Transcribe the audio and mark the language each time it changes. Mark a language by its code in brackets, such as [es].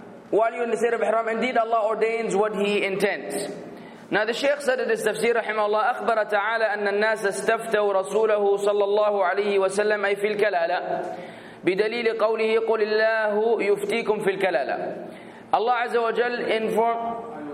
[en] While you're in the state of ihram, indeed Allah ordains what He intends. Now the Shaykh said in his tafsir, rahimahullah, [ar] أخبر تعالى أن الناس استفتوا رسوله صلى الله عليه وسلم أي في الكلالة بدليل قوله قل الله يفتيكم في الكلالة. [en] Allah [ar] عز وجل [en] informed.